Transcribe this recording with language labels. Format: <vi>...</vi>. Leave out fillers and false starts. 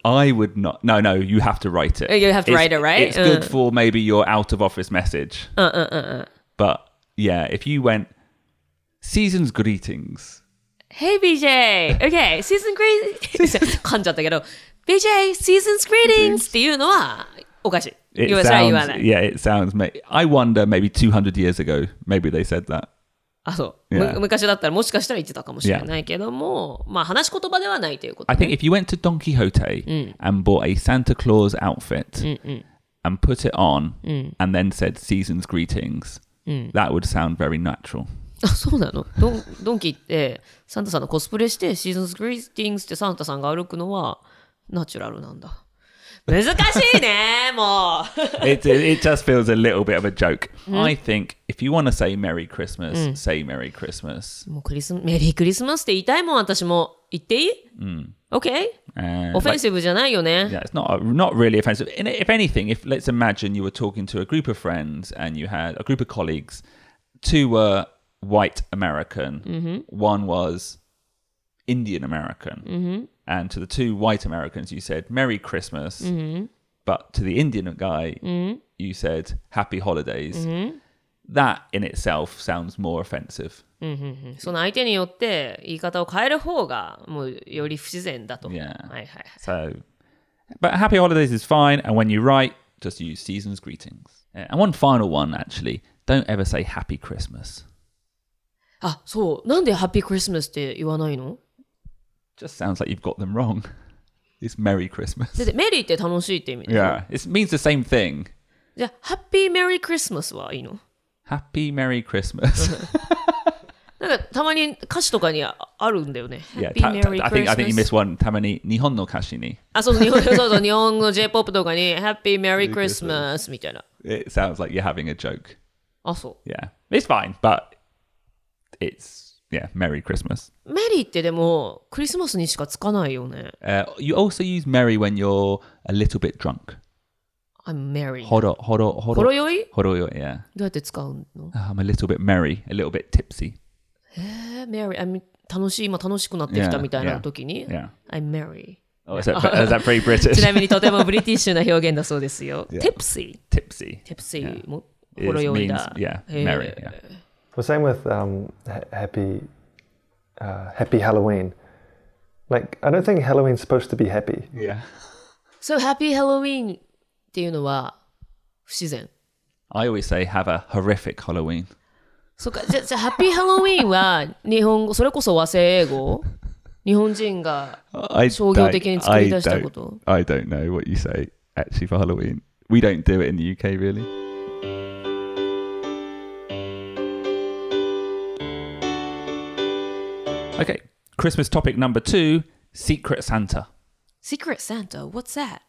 <en>I would not. No, no, you have to write it. You have to write it, right? It's good for maybe your out of office message. But yeah, if you went, season's greetings. Hey, BJ! Okay, season's greetings!</en> <ja>噛んじゃったけど、BJ,</ja> <en>season's greetings!</en> <ja>っていうのはおかしい。</ja> <en>It you sounds, are right, you are right. Yeah, it sounds... I wonder maybe 200 years ago, maybe they said that.</en> <ja>あ、そう。Yeah. 昔だったらもしかしたら言ってたかもしれないけども、</ja> <en>yeah.</en> <ja>まあ話し言葉ではないということ、ね。</ja> <en>I think if you went to Don Quixote、うん、 and bought a Santa Claus outfit、うんうん、 and put it on、うん、 and then said season's greetings,、うん、 that would sound very natural.</en> <ja>あ、そうなの。ドンキってサンタさんのコスプレして</ja> <en>season's greetings</en> <ja>ってサンタさんが歩くのはナチュラルなんだ。難しいね、もう。</ja> <en>It just feels a little bit of a joke.、うん、I think if you want to say Merry Christmas,、うん、say Merry Christmas.</en> <ja>もうメリークリスマスって言いたいもん、私も。言っていい、うん、</ja> <en>Okay.</en> <ja>Offensive じゃないよね。</ja> <en>Yeah, it's not really offensive. If anything, if, let's imagine you were talking to a group of friends and you had a group of colleagues. Two were white American.、 Mm-hmm. One was Indian American.、 Mm-hmm. And to the two white Americans, you said Merry Christmas.、 Mm-hmm. But to the Indian guy,、 mm-hmm. you said Happy Holidays.、 Mm-hmm. That in itself sounds more offensive.、 Mm-hmm.</en> <ja>その相手によって言い方を変える方がもうより不自然だと。</ja> <en>Yeah.</en> <ja>はいはい、</ja> <en>so, but Happy Holidays is fine. And when you write, just use season's greetings. And one final one, actually. Don't ever say Happy Christmas.</en> <ja>あ、そう。なんで Happy Christmas って言わないの?</ja> <en>Just sounds like you've got them wrong. It's Merry Christmas.</en> <ja>Merry って楽しいって意味でしょ?</ja> <en>Yeah, it means the same thing.</en> <ja>じゃあ、</ja> <en>Happy Merry Christmas</en> <ja>はいいの?</ja> <en>Happy Merry Christmas.</en> <ja>なんかたまに歌詞とかにあるんだよね。</ja> <en>Yeah, Happy Merry Christmas. I think you missed one.</en> <ja>たまに日本の歌詞に。あ、そう、日本、そうそう、日本の J-POP とかに</ja> <en>Happy Merry Christmas</en> <ja>みたいな。</ja> <en>It sounds like you're having a joke.</en> <ja>あ、そう。</ja> <en>Yeah, it's fine, but it's... Yeah, Merry Christmas.</en> <ja>Merry ってでもクリスマスにしかつかないよね。</ja> <en>You also use Merry when you're a little bit drunk. I'm Merry.</en> <ja>ほろ酔い?ほろ酔い、yeah. どうやって使うの?</ja> <en>I'm a little bit Merry, a little bit tipsy.</en> <ja>Merry, I'm 楽しい、今楽しくなってきたみたいな時に。</ja> <en>Yeah. I'm Merry. Oh, is that pretty British?</en> <ja>ちなみにとてもブリティッシュな表現だそうですよ。</ja> <en>Yeah. Tipsy. Tipsy.</en> <ja>Tipsy. ほろ酔いだ。</ja> <en>Yeah, Merry, yeah. Well, same with happy Halloween. Like, I don't think Halloween's supposed to be happy. Yeah.</en> <ja>So,</ja> <en>happy Halloween</en> <ja>っていうのは不自然。</ja> <en>I always say, have a horrific Halloween.</en> <ja>そうか、じゃあ、</ja> <en>happy Halloween</en> <ja>は日本語、それこそ和製英語日本人が商業的に作り出したこと</ja> <en>I don't know what you say, actually, for Halloween. We don't do it in the UK, really. Okay, Christmas topic number two, Secret Santa. Secret Santa? What's that?</en>